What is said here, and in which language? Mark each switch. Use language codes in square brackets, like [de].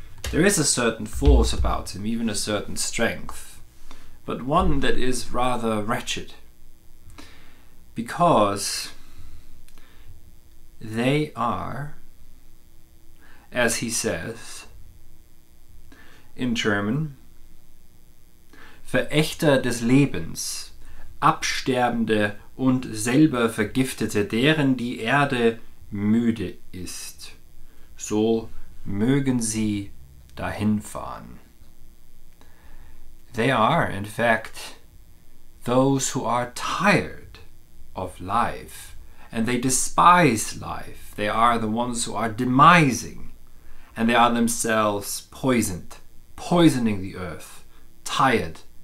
[en] There is a certain force about him, even a certain strength, but one that is rather wretched, because they are, as he says in German, [de] Verächter des Lebens, Absterbende und selber Vergiftete, deren die Erde müde ist. So mögen sie dahinfahren. [en] They are, in fact, those who are tired of life, and they despise life. They are the ones who are demising, and they are themselves poisoning the earth, tired.